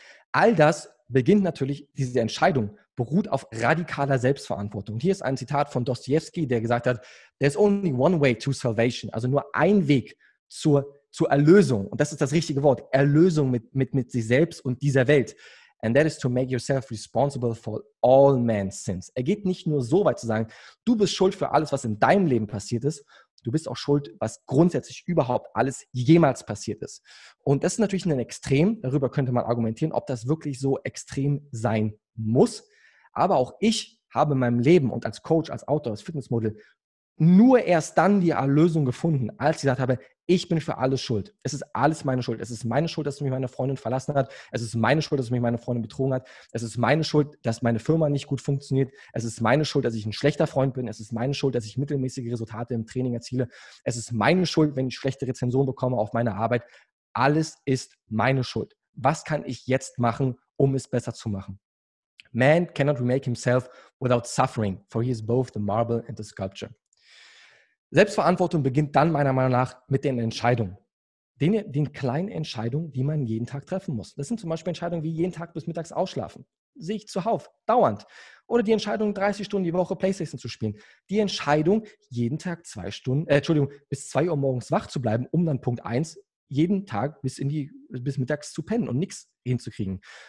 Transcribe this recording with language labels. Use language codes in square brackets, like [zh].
[de] All das beginnt natürlich, diese Entscheidung beruht auf radikaler Selbstverantwortung. Und hier ist ein Zitat von Dostojewski, der gesagt hat, [en] there's only one way to salvation, [de] also nur ein Weg zur Erlösung, und das ist das richtige Wort, Erlösung mit sich selbst und dieser Welt. [en] And that is to make yourself responsible for all man's sins. [de] Er geht nicht nur so weit zu sagen, du bist schuld für alles, was in deinem Leben passiert ist, du bist auch schuld, was grundsätzlich überhaupt alles jemals passiert ist. Und das ist natürlich ein Extrem, darüber könnte man argumentieren, ob das wirklich so extrem sein muss. Aber auch ich habe in meinem Leben und als Coach, als Autor, als Fitnessmodel nur erst dann die Erlösung gefunden, als ich gesagt habe, ich bin für alles schuld. Es ist alles meine Schuld. Es ist meine Schuld, dass mich meine Freundin verlassen hat. Es ist meine Schuld, dass mich meine Freundin betrogen hat. Es ist meine Schuld, dass meine Firma nicht gut funktioniert. Es ist meine Schuld, dass ich ein schlechter Freund bin. Es ist meine Schuld, dass ich mittelmäßige Resultate im Training erziele. Es ist meine Schuld, wenn ich schlechte Rezensionen bekomme auf meine Arbeit. Alles ist meine Schuld. Was kann ich jetzt machen, um es besser zu machen? [en] Man cannot remake himself without suffering, for he is both the marble and the sculpture. [de] Selbstverantwortung beginnt dann meiner Meinung nach mit den Entscheidungen. Den kleinen Entscheidungen, die man jeden Tag treffen muss. Das sind zum Beispiel Entscheidungen wie jeden Tag bis mittags ausschlafen. Sehe ich zuhauf, dauernd. Oder die Entscheidung, 30 Stunden die Woche PlayStation zu spielen. Die Entscheidung, jeden Tag bis 2 Uhr morgens wach zu bleiben, um dann Punkt 1, jeden Tag bis mittags zu pennen und nichts hinzukriegen.